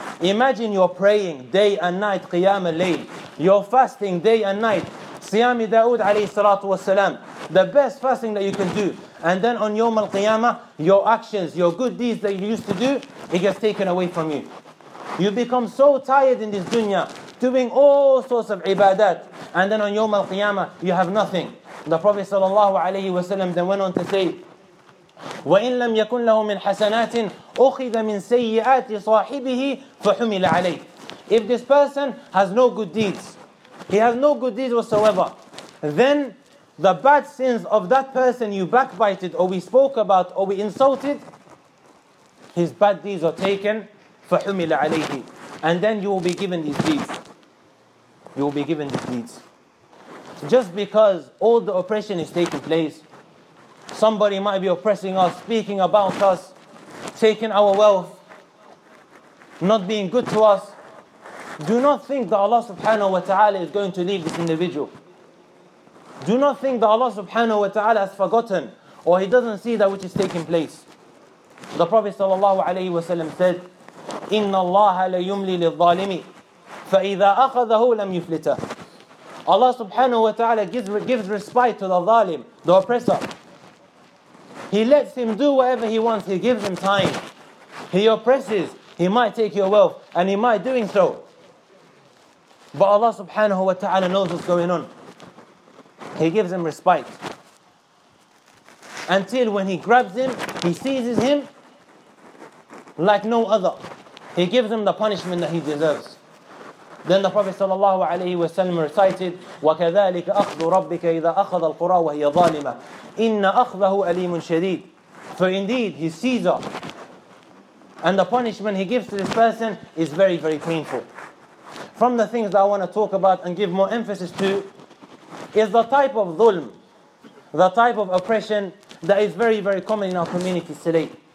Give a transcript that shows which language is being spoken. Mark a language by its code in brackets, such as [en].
[en] Imagine you're praying day and night, Qiyam al-Layl. You're fasting day and night, Siyami Dawood alayhi salatu wasalam, the best fasting that you can do. And then on Yawm al-Qiyamah, your actions, your good deeds that you used to do, it gets taken away from you. You become so tired in this dunya, doing all sorts of ibadat, and then on Yawm al-Qiyamah, you have nothing. [ar] The Prophet sallallahu alayhi wasalam then went on to say, وَإِنْ لَمْ يَكُنْ لَهُ مِنْ حَسَنَاتٍ أُخِذَ مِنْ سَيِّئَاتِ صَاحِبِهِ فَحُمِلَ عَلَيْهِ. [en] If this person has no good deeds, he has no good deeds whatsoever, then the bad sins of that person you backbited, or we spoke about, or we insulted, his bad deeds are taken, فَحُمِلَ عَلَيْهِ. And then you will be given these deeds. You will be given these deeds. Just because all the oppression is taking place, somebody might be oppressing us, speaking about us, taking our wealth, not being good to us, do not think that Allah subhanahu wa ta'ala is going to leave this individual. Do not think that Allah subhanahu wa ta'ala has forgotten, or he doesn't see that which is taking place. [ar] The Prophet sallallahu alayhi wa sallam said, إِنَّ اللَّهَ لَيُمْلِي لِلظَّالِمِ فَإِذَا أَخَذَهُ لَمْ يُفْلِتَهُ. [en] Allah subhanahu wa ta'ala gives respite to the zalim, the oppressor. He lets him do whatever he wants. He gives him time. He oppresses. He might take your wealth, and he might doing so. But Allah subhanahu wa ta'ala knows what's going on. He gives him respite. Until when he grabs him, he seizes him like no other. He gives him the punishment that he deserves. [ar] Then the Prophet sallallahu alayhi wa sallam recited, وَكَذَلِكَ أَخْذُ رَبِّكَ إِذَا أَخَذَ الْقُرَى وَهِيَ ظَالِمَةٌ إِنَّ أَخْذَهُ أَلِيمٌ شَدِيدٌ. [en] For indeed, his seizure and the punishment he gives to this person is very, very painful. From the things that I want to talk about and give more emphasis to is the type of dhulm, the type of oppression that is very, very common in our community today.